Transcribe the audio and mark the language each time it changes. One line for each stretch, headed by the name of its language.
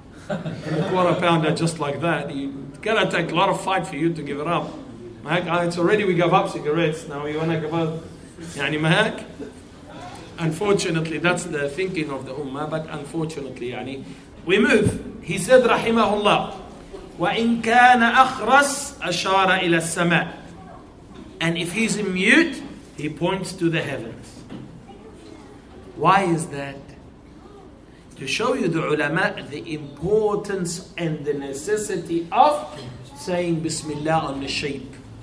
English: And a quarter pounder just like that. It's going to take a lot of fight for you to give it up. Mahak, it's already we gave up cigarettes. Now you want to give up, yani, mahak? Unfortunately, that's the thinking of the ummah, but unfortunately, yani, we move. He said, rahimahullah,
Arabic: وَإِن كَانَ أَخْرَسْ أَشَارَ إِلَى السَّمَاءِ.
English: And if he's a mute, he points to the heavens. Why is that? To show you the ulama, the importance and the necessity of saying Bismillah on the sheep.